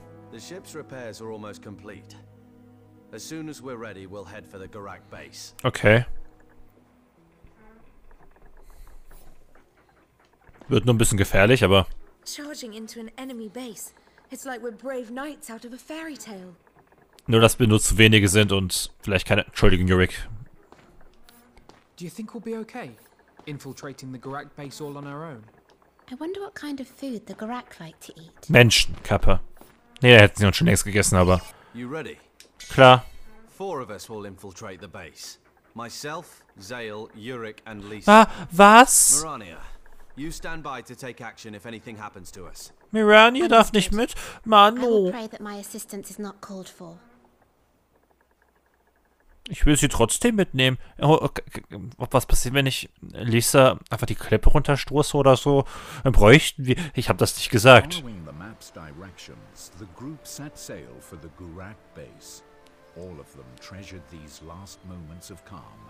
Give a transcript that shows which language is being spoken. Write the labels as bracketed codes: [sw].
[en] The ship's repairs are almost complete. As soon as we're ready, we'll head for the Garak base. Okay. [de] Wird nur ein bisschen gefährlich, aber... [en] Charging into an enemy base. It's like we're brave knights out of a fairy tale. [de] Nur, dass wir nur zu wenige sind und vielleicht keine... Entschuldigung, Yurik. [en] Do you think we'll be okay? Infiltrating the Garak base all on our own? I wonder what kind of food the Garak like to eat. [de] Menschen, Kappa. Nee, da hätten sie uns schon längst gegessen, aber... [en] You ready? [de] Klar. [en] Four of us will infiltrate the base. Myself, Zael, Yurik and Lisa. [de] Ah, was? [en] Mirania. You stand by to take action if anything happens to us. [de] Mirania darf nicht mit. Manu. [en] I will pray that my assistance is not called for. [de] Ich will sie trotzdem mitnehmen. Okay. Was passiert, wenn ich Lisa einfach die Klippe runterstoße oder so? Dann bräuchten wir... Ich habe das nicht gesagt. [en] Following the map's directions, the group set sail for the Garak base. All of them treasured these last moments of calm.